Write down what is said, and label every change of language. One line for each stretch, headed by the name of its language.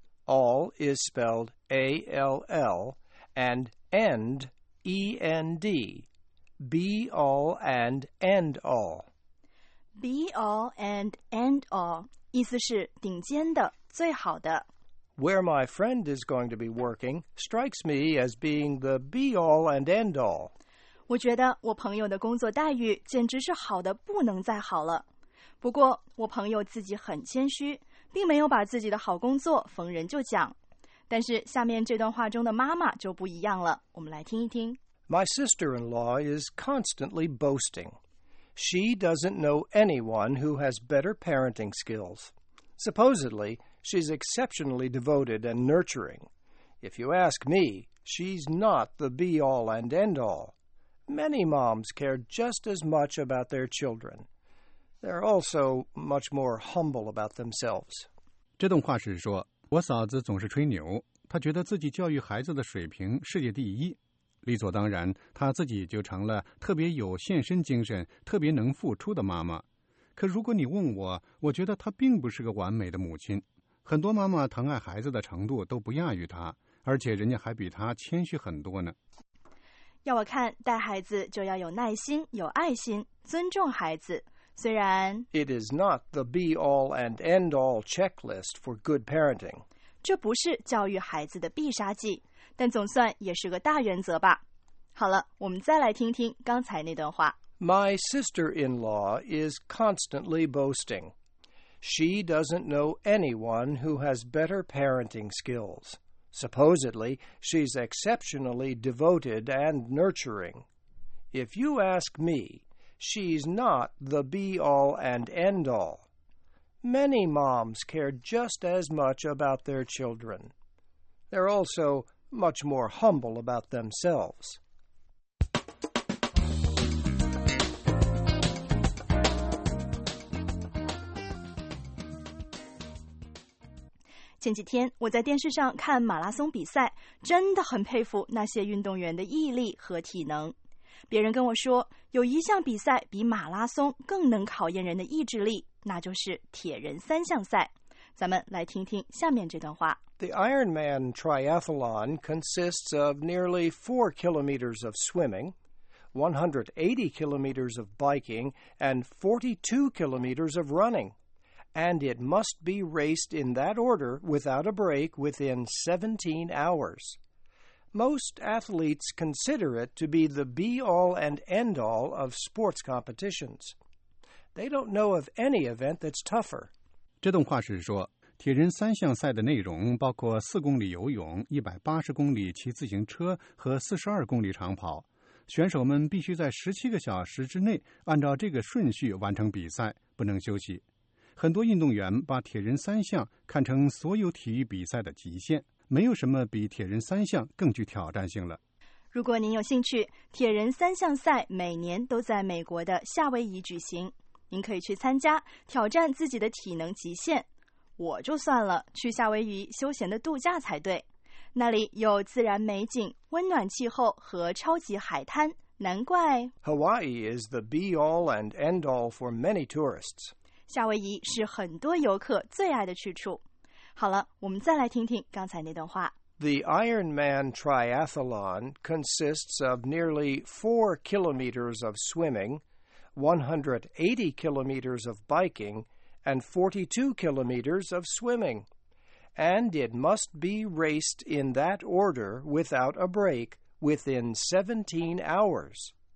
English: All is spelled A-L-L and end, E-N-D, be all and end all.
Chinese: Be all and end all, 意思是顶尖的、最好的。
English: Where my friend is going to be working strikes me as being the be all and end all.
Chinese: 我觉得我朋友的工作待遇简直是好的不能再好了。不过我朋友自己很谦虚。并没有把自己的好工作逢人就讲，但是下面这段话中的妈妈就不一样了，我们来听一听。
English: My sister-in-law is constantly boasting. She doesn't know anyone who has better parenting skills. Supposedly, she's exceptionally devoted and nurturing. If you ask me, she's not the be-all and end-all. Many moms care just as much about their children. They're also much more humble about themselves.
Chinese: 这段话是说，我嫂子总是吹牛，她觉得自己教育孩子的水平世界第一，理所当然，她自己就成了特别有献身精神、特别能付出的妈妈。可如果你问我，我觉得她并不是个完美的母亲。很多妈妈疼爱孩子的程度都不亚于她，而且人家还比她谦虚很多呢。要我看，带孩子就要有耐心、有爱心，尊重孩子。虽然
English: It is not the be-all and end-all checklist for good parenting.
Chinese: 这不是教育孩子的必杀技，但总算也是个大原则吧。好了，我们再来听听刚才那段话。
English: My sister-in-law is constantly boasting. She doesn't know anyone who has better parenting skills. Supposedly, she's exceptionally devoted and nurturing. If you ask me, she's not the be-all and end-all. Many moms care just as much about their children. They're also much more humble about themselves.
Chinese: 前几天我在电视上看马拉松比赛，真的很佩服那些运动员的毅力和体能。别人跟我说，有一项比赛比马拉松更能考验人的意志力，那就是铁人三项赛。咱们来听听下面这段话。
English: The Ironman triathlon consists of nearly 4 kilometers of swimming, 180 kilometers of biking, and 42 kilometers of running. And it must be raced in that order without a break within 17 hours. Most athletes consider it to be the be-all and end-all of sports competitions. They don't know of any event that's tougher.
Chinese: 这段话是说，铁人三项赛的内容包括4公里游泳、180公里骑自行车和42公里长跑。选手们必须在17个小时之内按照这个顺序完成比赛，不能休息。很多运动员把铁人三项看成所有体育比赛的极限，没有什么比铁人三项更具挑战性了。如果您有兴趣，铁人三项赛每年都在美国的夏威夷举行，您可以去参加，挑战自己的体能极限。我就算了，去夏威夷休闲的度假才对，那里有自然美景、温暖气候和超级海滩，难怪
English: Hawaii is the be-all and end-all for many tourists.
Chinese: 夏威夷是很多游客最爱的去处。好了，我们再来听听刚才那段话。
English: The Ironman triathlon consists of nearly 4 kilometers of swimming, 180 kilometers of biking, and 42 kilometers of swimming. And it must be raced in that order without a break within 17 hours.